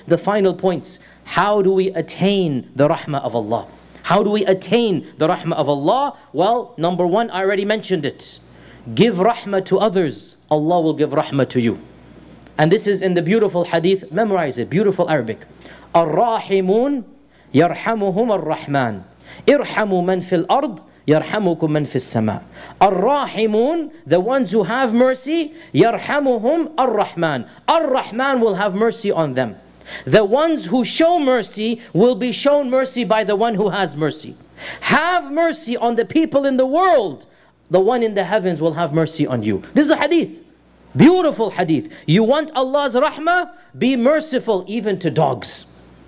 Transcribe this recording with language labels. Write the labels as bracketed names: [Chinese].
[English] The final points, how do we attain the rahmah of Allah? How do we attain the rahmah of Allah? Well, number one, I already mentioned it. Give rahmah to others, Allah will give rahmah to you. And this is in the beautiful hadith, memorize it, beautiful Arabic. [Arabic] Ar-Rahimun يرحمهم الرحمن ارحموا من في الأرض يرحمكم من في السماء الرحمون, [English] the ones who have mercy, [Arabic] يرحمهم الرحمن, الرحمن [English] will have mercy on them. The ones who show mercy will be shown mercy by the one who has mercy. Have mercy on the people in the world, the one in the heavens will have mercy on you. This is a hadith, beautiful hadith. You want Allah's rahmah, be merciful even to dogs.